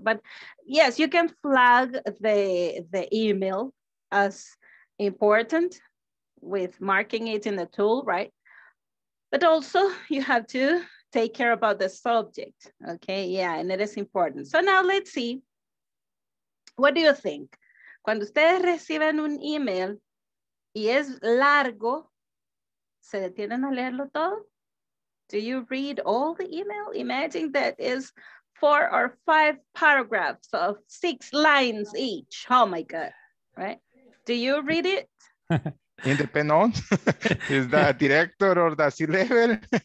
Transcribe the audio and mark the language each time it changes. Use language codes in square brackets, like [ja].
[en] But yes, you can flag the email as important with marking it in the tool, right? But also you have to take care about the subject, okay? Yeah, and it is important. So now let's see, what do you think? [es] Cuando ustedes reciben un email y es largo, ¿se detienen a leerlo todo? [en] Do you read all the email? Imagine that is 4 or 5 paragraphs of 6 lines each. Oh my God, right? Do you read it? It depends on, is the director or the C-level?